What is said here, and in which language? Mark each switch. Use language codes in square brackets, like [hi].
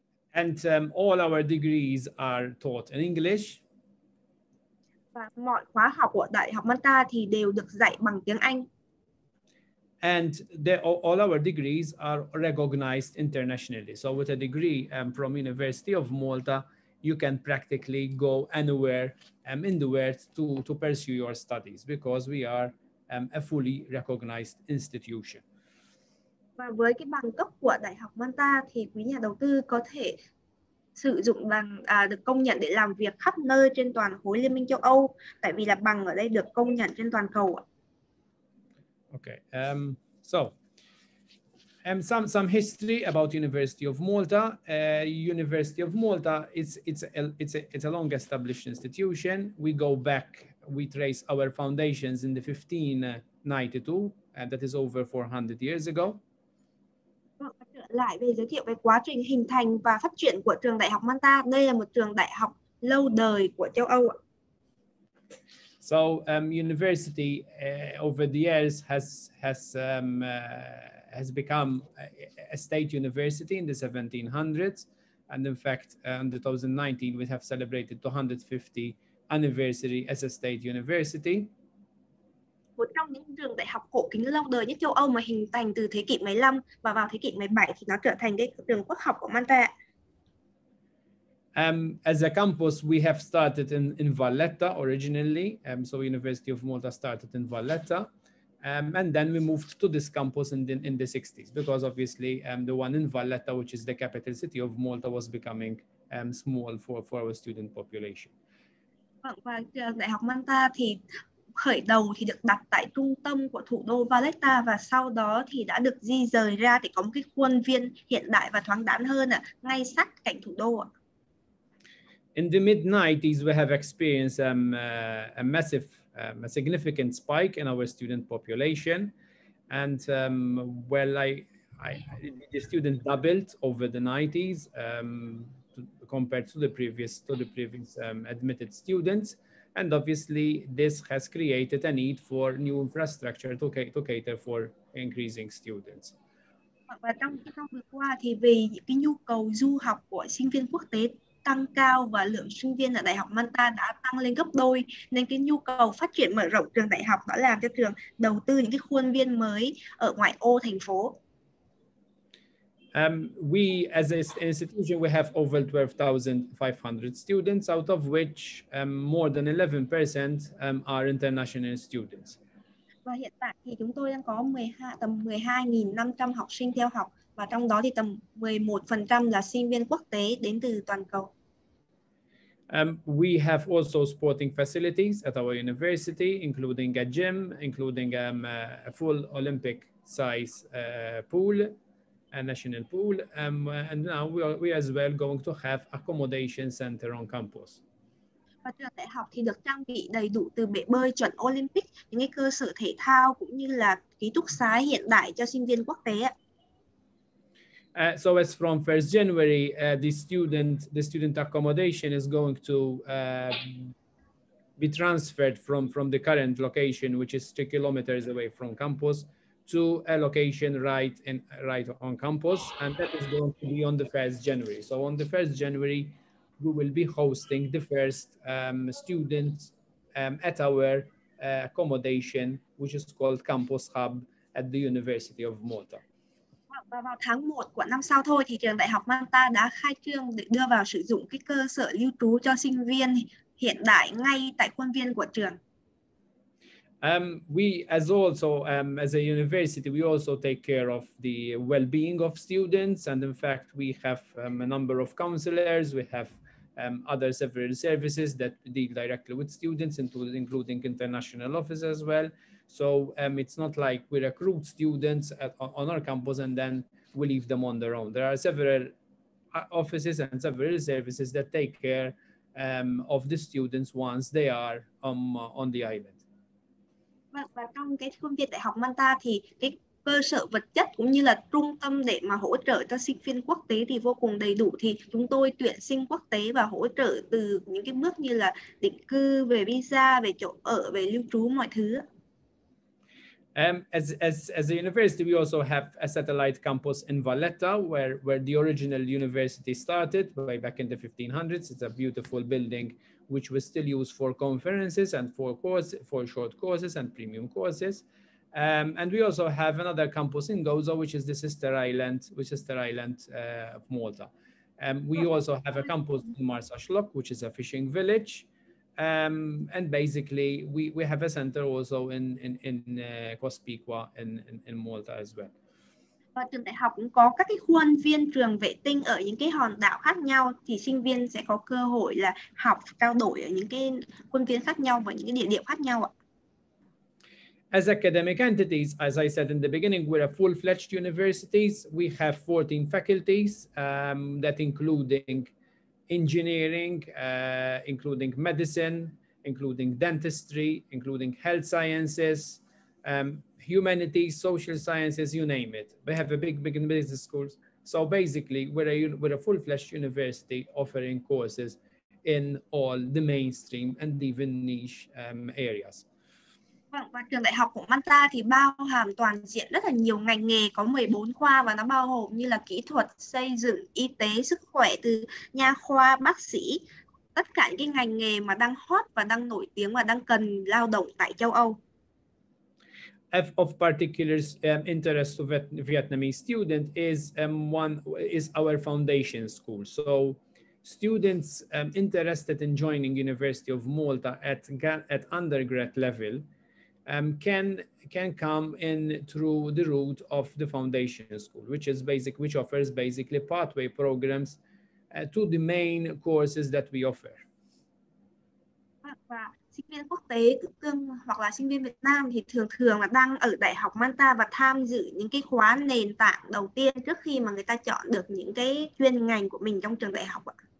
[en] And all our degrees are taught in English. [vi] Và mọi khóa học của Đại học Malta thì đều được dạy bằng tiếng Anh. [en] And all our degrees are recognized internationally. So with a degree from University of Malta, you can practically go anywhere in the world to pursue your studies because we are a fully recognized institution. [vi] Và với cái bằng cấp của Đại học Malta thì quý nhà đầu tư có thể sử dụng bằng được công nhận để làm việc khắp nơi trên toàn khối Liên minh châu Âu, tại vì là bằng ở đây được công nhận trên toàn cầu. [en] Okay. Some history about University of Malta. University of Malta it's a long established institution. We go back, we trace our foundations in the 1592, and that is over 400 years ago. [vi] Lại về giới thiệu về quá trình hình thành và phát triển của trường Đại học Malta. Đây là một trường đại học lâu đời của châu Âu. [en] So university over the years has become a state university in the 1700s, and in fact in 2019 we have celebrated 250th anniversary as a state university. [vi] Một trong những trường đại học cổ kính lâu đời nhất châu Âu mà hình thành từ thế kỷ 15 và vào thế kỷ 17 thì nó trở thành cái trường quốc học của Malta. [en] As a campus we have started in Valletta originally, so University of Malta started in Valletta, and then we moved to this campus in the 60s because obviously the one in Valletta, which is the capital city of Malta, was becoming small for our student population. [vi] Và trường đại học Malta thì khởi đầu thì được đặt tại trung tâm của thủ đô Valletta và sau đó thì đã được di rời ra để có một cái khuôn viên hiện đại và thoáng đãng hơn ngay sát cạnh thủ đô. [en] In the mid-90s, we have experienced a significant spike in our student population. And the student doubled over the 90s compared to the previous admitted students. And obviously, this has created a need for new infrastructure to cater for increasing students. [vi] Và trong cái năm vừa qua thì vì cái nhu cầu du học của sinh viên quốc tế tăng cao và lượng sinh viên ở Đại học Malta đã tăng lên gấp đôi, nên cái nhu cầu phát triển mở rộng trường đại học đã làm cho trường đầu tư những cái khuôn viên mới ở ngoại ô thành phố. [en] We as an institution, we have over 12,500 students, out of which more than 11% are international students. [vi] Và hiện tại thì chúng tôi đang có 12,500 học sinh theo học, và trong đó thì tầm 11% là sinh viên quốc tế đến từ toàn cầu. [en] We have also sporting facilities at our university, including a gym, including a full Olympic size pool, a national pool, and now we as well going to have accommodation center on campus. [vi] Và trường đại học thì được trang bị đầy đủ từ bể bơi chuẩn Olympic, những cái cơ sở thể thao cũng như là ký túc xá hiện đại cho sinh viên quốc tế. [en] So as from 1st January, the student accommodation is going to be transferred from the current location, which is 3 kilometers away from campus, to a location right on campus, and that is going to be on the 1st January. So on the 1st January, we will be hosting the first students at our accommodation, which is called Campus Hub at the University of Malta. [vi] Và vào tháng 1 của năm sau thôi thì trường Đại học Malta đã khai trương để đưa vào sử dụng cái cơ sở lưu trú cho sinh viên hiện đại ngay tại khuôn viên của trường. [en] We as also as a university, we also take care of the well-being of students, and in fact we have a number of counselors, we have other several services that deal directly with students, including international office as well. So it's not like we recruit students on our campus and then we leave them on their own. There are several offices and several services that take care of the students once they are on the island. [vi] Và trong cái khuôn viên Đại học Malta thì cái cơ sở vật chất cũng như là trung tâm để mà hỗ trợ cho sinh viên quốc tế thì vô cùng đầy đủ, thì chúng tôi tuyển sinh quốc tế và hỗ trợ từ những cái bước như là định cư, về visa, về chỗ ở, về lưu trú, mọi thứ. [en] As a university, we also have a satellite campus in Valletta, where the original university started way back in the 1500s. It's a beautiful building which we still use for conferences and for short courses and premium courses. And we also have another campus in Gozo, which is the sister island of Malta. We also have a campus in Marsashlok, which is a fishing village. And basically, we have a center also in Kospikwa in Malta as well. [vi] Và trường đại học cũng có các cái khuôn viên trường vệ tinh ở những cái hòn đảo khác nhau, thì sinh viên sẽ có cơ hội là học trao đổi ở những cái khuôn viên khác nhau và những cái địa điểm khác nhau ạ. [en] As academic entities, as I said in the beginning, we're a full-fledged universities. We have 14 faculties, that including engineering, including medicine, including dentistry, including health sciences, humanities, social sciences, you name it. We have a big business schools. So basically, we're a full-fledged university offering courses in all the mainstream and even niche areas. [vi] Và trường đại học của Malta thì bao hàm toàn diện rất là nhiều ngành nghề, có 14 khoa và nó bao gồm như là kỹ thuật, xây dựng, y tế, sức khỏe, từ nha khoa, bác sĩ, tất cả những cái ngành nghề mà đang hot và đang nổi tiếng và đang cần lao động tại châu Âu. [en] Of particular interest to Vietnamese students is our foundation school. So students interested in joining University of Malta at undergrad level can come in through the route of the foundation school, which offers basically pathway programs to the main courses that we offer. [vi] Sinh viên quốc tế tương hoặc là sinh viên Việt Nam thì thường thường là đang ở Đại học Malta và tham dự những cái khóa nền tảng đầu tiên trước khi mà người ta chọn được những cái chuyên ngành của mình trong trường đại học ạ.